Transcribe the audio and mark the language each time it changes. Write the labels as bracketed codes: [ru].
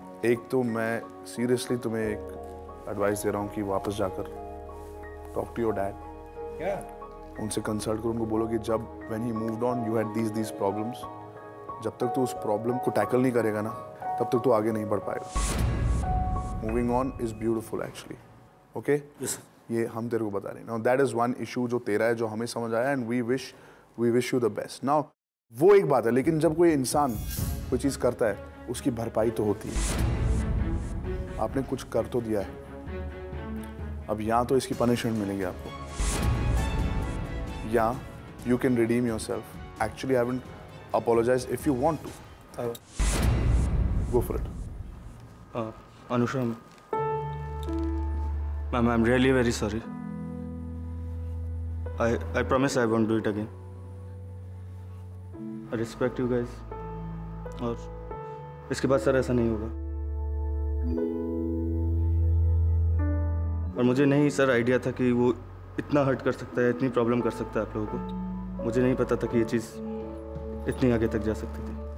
[hi] एक तो मैं seriously तुम्हें एक advice दे रहा हूँ कि वापस जाकर [en] talk to your dad. Yeah. [hi] उनसे consult करो, उनको बोलो कि जब [en] when he moved on, you had these problems. [hi] जब तक तू उस problem को tackle नहीं करेगा ना, तब तक तू आगे नहीं बढ़ पाएगा. [en] Moving on is beautiful, actually. Okay? Yes. [hi] ये हम तेरे को बता रहे हैं. [en] Now that is one issue [hi] जो तेरा है, जो हमें समझ आया, [en] and we wish you the best. Now. [hi] वो एक बात है, लेकिन जब कोई इंसान कोई चीज़ करता है उसकी भरपाई तो होती है. आपने कुछ कर तो दिया है, अब या तो इसकी पनिशमेंट मिलेगी आपको, या [en] You can redeem yourself. Actually I would apologise if you want to, go for it. Anusha ma'am, I am really very sorry. I promise I won't do it again. I respect you guys. [hi] और इसके बाद sir ऐसा नहीं होगा. और मुझे नहीं sir idea था कि वो इतना हर्ट कर सकता है, इतनी प्रॉब्लम कर सकता है आप लोगों को. मुझे नहीं पता था कि ये चीज इतनी आगे तक जा सकती थी.